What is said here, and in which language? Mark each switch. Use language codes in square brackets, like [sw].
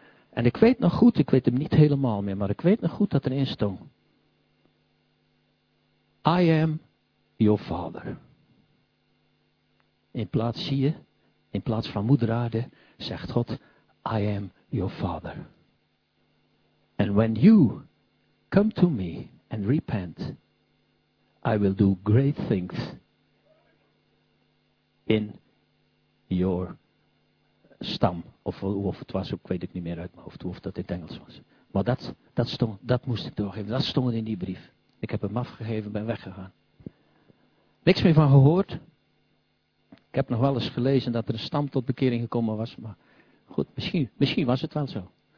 [nl] En ik weet nog goed, ik weet hem niet helemaal meer, maar ik weet nog goed dat erin stond. [en] I am your father. [nl] In plaats van moeder aarde, zegt God, [en] I am your father. And when you come to me and repent, I will do great things in your stam. [nl] Of het was, ik weet het niet meer uit mijn hoofd, of dat in het Engels was. Maar dat moest ik doorgeven. Dat stond in die brief. Ik heb hem afgegeven, ben weggegaan. Niks meer van gehoord. Ik heb nog wel eens gelezen dat er een stam tot bekering gekomen was. Maar goed, misschien was het wel zo.